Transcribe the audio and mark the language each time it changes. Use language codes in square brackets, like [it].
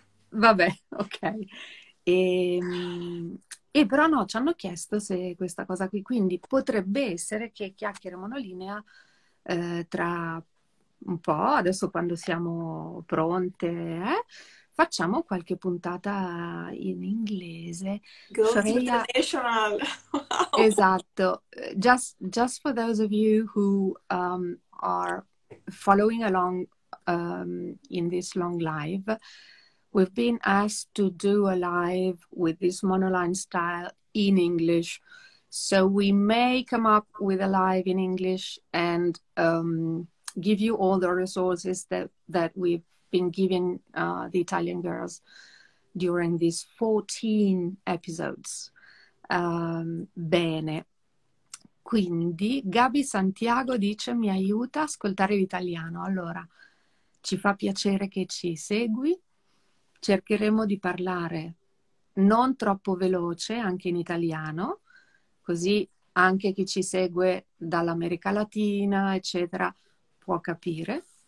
[it] Vabbè, ok. E però no, ci hanno chiesto se questa cosa qui, quindi potrebbe essere che Chiacchiere Monolinea, tra un po', adesso quando siamo pronte, facciamo qualche puntata in inglese. [en] Goes Shreya. international. Esatto, just for those of you who are following along in this long live, we've been asked to do a live with this monoline style in English. So we may come up with a live in English and give you all the resources that we've been giving the Italian girls during these 14 episodes. [it] Bene, quindi Gabi Santiago dice mi aiuta a ascoltare l'italiano. Allora, ci fa piacere che ci segui. Cercheremo di parlare non troppo veloce anche in italiano, così anche chi ci segue dall'America Latina, eccetera, può capire.